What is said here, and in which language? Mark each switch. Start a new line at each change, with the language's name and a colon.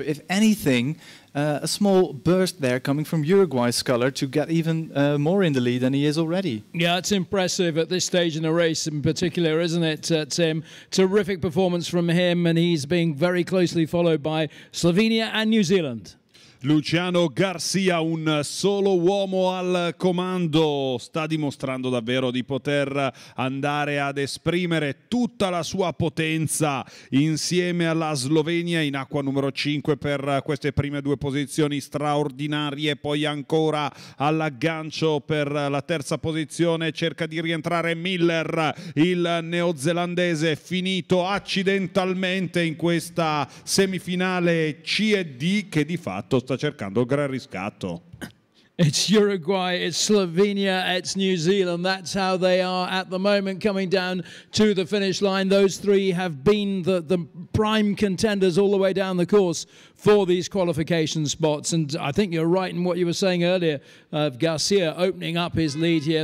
English: If anything, a small burst there coming from Uruguay's scholar to get even more in the lead than he is already. Yeah, it's impressive at this stage in the race in particular, isn't it, Tim? Terrific performance from him, and he's being very closely followed by Slovenia and New Zealand.
Italian: Luciano Garcia, un solo uomo al comando, sta dimostrando davvero di poter andare ad esprimere tutta la sua potenza insieme alla Slovenia in acqua numero 5 per queste prime due posizioni straordinarie. Poi ancora all'aggancio per la terza posizione cerca di rientrare Miller, il neozelandese finito accidentalmente in questa semifinale C e D, che di fatto sta cercando gran riscatto.
English: It's Uruguay, it's Slovenia, it's New Zealand. That's how they are at the moment coming down to the finish line. Those three have been the prime contenders all the way down the course for these qualification spots. And I think you're right in what you were saying earlier of Garcia opening up his lead here.